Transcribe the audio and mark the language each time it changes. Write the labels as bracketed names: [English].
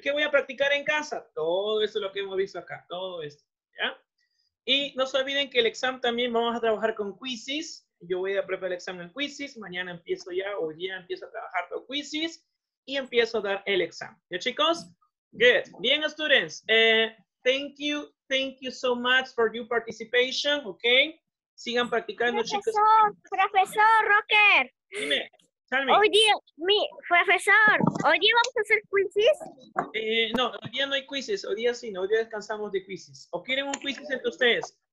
[Spanish] ¿Qué voy a practicar en casa? Todo eso es lo que hemos visto acá. Todo esto, ¿ya? Y no se olviden que el examen también vamos a trabajar con quizzes. Yo voy a preparar el examen en quizzes. Mañana empiezo ya. Hoy día empiezo a trabajar con quizzes. Y empiezo a dar el examen. ¿Ya, chicos? [English] Good. [Spanish] Bien, [English] students. Thank you so much for your participation, okay? [Spanish] Sigan practicando, profesor, chicos. Profesor, Rocker. Dime, [English] tell me. [Spanish] Hoy día, mi profesor, ¿hoy día vamos a hacer quizzes? No, hoy día no hay quizzes, hoy día sí, no, hoy día descansamos de quizzes. ¿O quieren un quizzes entre ustedes?